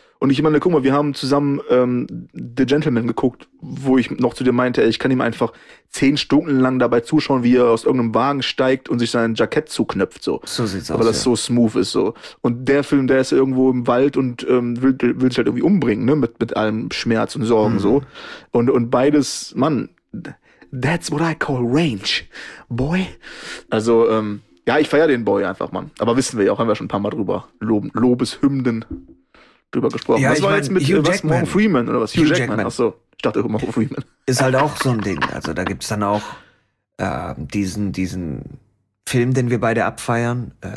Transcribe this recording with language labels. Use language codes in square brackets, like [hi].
[de] Und ich meine, guck mal, wir haben zusammen The Gentleman geguckt, wo ich noch zu dir meinte, ey, ich kann ihm einfach 10 Stunden lang dabei zuschauen, wie er aus irgendeinem Wagen steigt und sich sein Jackett zuknöpft. So, so sieht's aus. Weil das so smooth ist. So. Und der Film, der ist irgendwo im Wald und will sich halt irgendwie umbringen, ne? Mit allem Schmerz und Sorgen so. Und beides, Mann, [en] that's what I call range, boy. [de] Also, ja, ich feiere den Boy einfach, Mann. Aber wissen wir ja auch, haben wir schon ein paar Mal drüber. Lobeshymnen. Drüber gesprochen. Ja, was ich war jetzt mit Morgan Freeman oder was? Hugh Jackman. Achso, ich dachte immer Morgan Freeman. Ist halt auch so ein Ding. Also da gibt's dann auch diesen Film, den wir beide abfeiern.